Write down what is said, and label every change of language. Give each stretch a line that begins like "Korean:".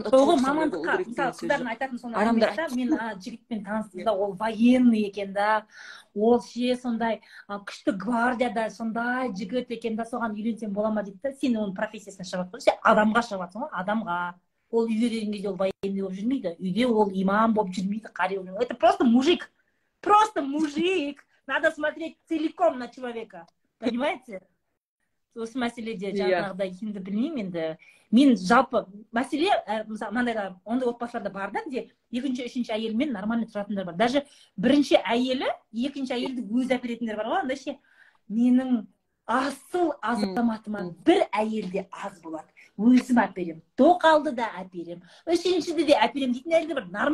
Kazakh: қыздардың айтатын сондай, мен жігітпен таныстымда ол военный екен да, ол ше сондай күшті гвардияда сондай жігіт екен да, соған үйленсем бола ма дейді да. Сен оның профессиясына шығып жатырсың, сен адамға шығып жатырсың ғой, адамға. Ол үйде деген кезде ол военный болып жүрмейді, үйде ол имам болып жүрмейді, қари болып.
Russian: Это просто мужик, просто мужик. Надо смотреть целиком на человека, понимаете?
Kazakh: Осы мәселеде жаңағыдай, енді білмеймін, енді мен жалпы мәселе мысалы мынандай да, ондай отбасылар да бар да, где екінші үшінші әйелімен нормально тұратындар бар. Даже бірінші әйелі екінші әйелді өзі әперетіндер бар ғой. Андай ше, менің асыл азаматыма бір әйел де аз болады, өзім әперемін, тоқалды да әперемін, үшіншіді де әперемін дейтін әйелдер бар.